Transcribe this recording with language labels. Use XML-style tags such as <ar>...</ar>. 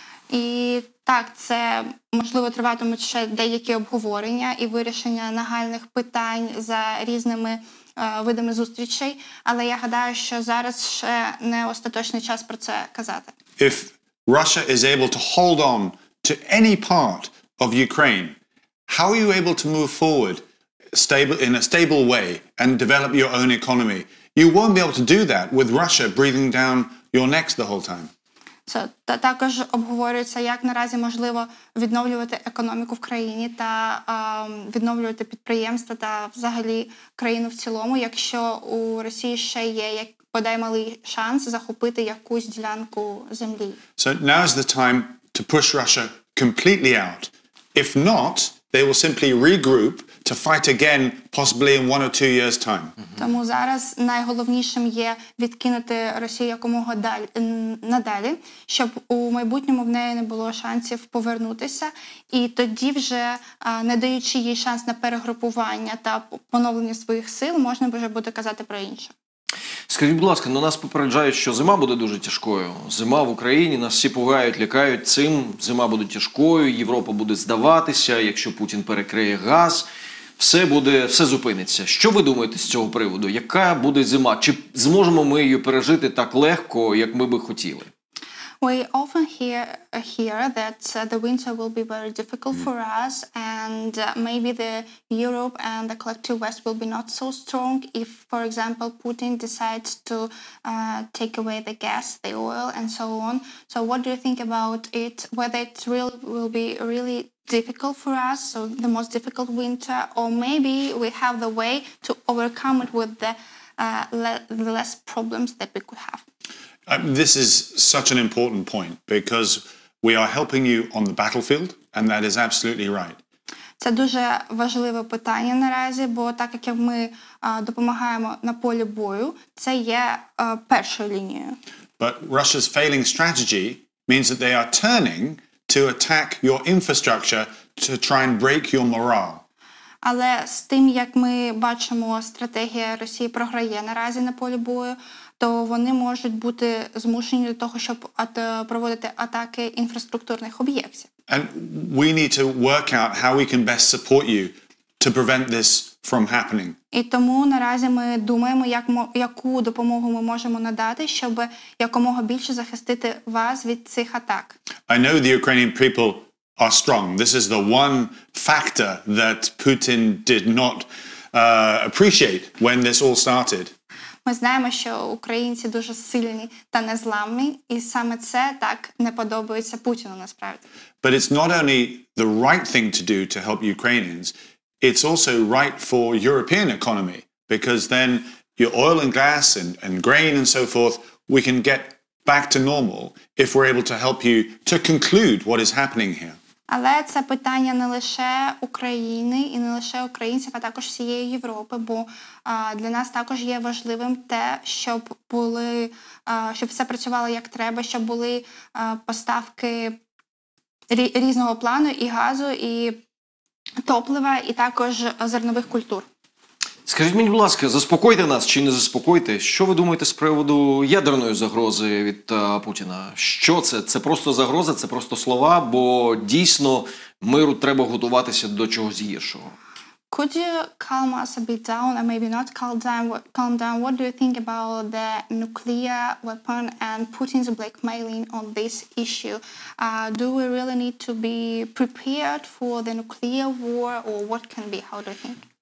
<uk>І так, це, можливо, триватимуть ще деякі обговорення і вирішення нагальних питань за різними видами зустрічей, але я гадаю, що зараз ще не остаточний час про це казати.</uk> <en>If Russia is able to hold on to any part of Ukraine, how are you able to move forward stable in a stable way and develop your own economy? You won't be able to do that with Russia breathing down your necks the whole time.</en> <uk>Це також обговорюється, як наразі можливо відновлювати економіку в країні та відновлювати підприємства та взагалі країну в цілому, якщо у Росії ще є, як бодай малий шанс, захопити якусь ділянку землі.</uk> <en>So now is the time to push Russia completely out. If not, they will simply regroup to fight again, possibly in one or two years' time.</en> <uk>Тому зараз найголовнішим є відкинути Росію якомога далі, надалі, щоб у майбутньому в неї не було шансів повернутися, і тоді вже, не даючи їй шанс на перегрупування та поновлення своїх сил, можна вже буде казати про інше. Скажіть, будь ласка, нас попереджають, що зима буде дуже тяжкою. Зима в Україні, нас всі пугають, лякають цим, зима буде тяжкою, Європа буде здаватися, якщо Путін перекриє газ, все буде, все зупиниться. Що ви думаєте з цього приводу? Яка буде зима? Чи зможемо ми її пережити так легко, як ми би хотіли?</uk> <en>We often hear that the winter will be very difficult for us, and maybe the Europe and the collective West will be not so strong if, for example, Putin decides to take away the gas, the oil, and so on. So what do you think about it? Whether it really will be really difficult for us, so the most difficult winter, or maybe we have the way to overcome it with the less problems that we could have. This is such an important point because we are helping you on the battlefield, and that is absolutely right.</en> <uk>Це дуже важливе питання наразі, бо так як ми допомагаємо на полі бою, це є першою лінією.</uk> <en>But Russia's failing strategy means that they are turning to attack your infrastructure to try and break your morale.</en> <uk>Але з тим, як ми бачимо, стратегія Росії програє наразі на полі бою, то вони можуть бути змушені до того, щоб проводити атаки інфраструктурних об'єктів.</uk> <en>And we need to work out how we can best support you to prevent this from happening.</en> <uk>І тому наразі ми думаємо, яку допомогу ми можемо надати, щоб якомога більше захистити вас від цих атак.</uk> <en>I know the Ukrainian people are strong. This is the one factor that Putin did not appreciate when this all started.</en> <uk>Ми знаємо, що українці дуже сильні та незламні, і саме це так не подобається Путіну насправді.</uk> <en>But it's not only the right thing to do to help Ukrainians, it's also right for European economy, because then your oil and gas and grain and so forth, we can get back to normal if we're able to help you to conclude what is happening here.</en> <uk>Але це питання не лише України і не лише українців, а також всієї Європи, бо для нас також є важливим те, щоб були, щоб все працювало як треба, щоб були поставки різного плану і газу, і топлива, і також зернових культур. Скажіть мені, будь ласка, заспокойте нас чи не заспокойте, що ви думаєте з приводу ядерної загрози від Путіна? Що це? Це просто загроза, це просто слова, бо дійсно миру треба готуватися до чогось гіршого.</uk> <en>Could you calm us a bit down, or maybe not calm down, what do you think about the nuclear weapon and Putin's blackmailing on this issue? Do we really need to be prepared for the nuclear war, or what can be, how do you think?</en>